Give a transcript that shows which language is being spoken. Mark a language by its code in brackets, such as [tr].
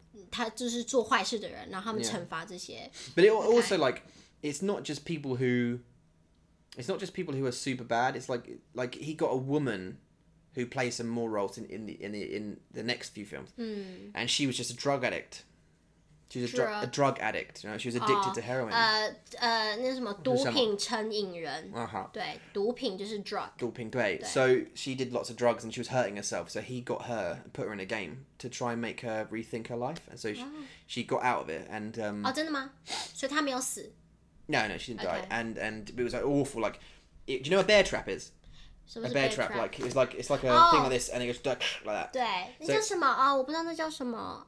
[zh] 他就是做坏事的人, 然后他们惩罚这些。 [en] But it also, like, it's not just people who... It's not just people who are super bad. It's like he got a woman who plays some more roles in the next few films, and she was just a drug addict. She was a drug addict. You know, she was addicted to heroin. [zh] 那什么毒品成瘾人。对，毒品就是 drug. [en] 毒品对。 So she did lots of drugs and she was hurting herself. So he got her and put her in a game to try and make her rethink her life. And so she got out of it. And [zh] 哦，真的吗？所以她没有死。 [en] No, she didn't die. And it was like awful. Like, do you know what a bear trap is? A bear trap. Like, it's like a thing like this, and it goes like that. [zh] 对，那叫什么啊？我不知道那叫什么。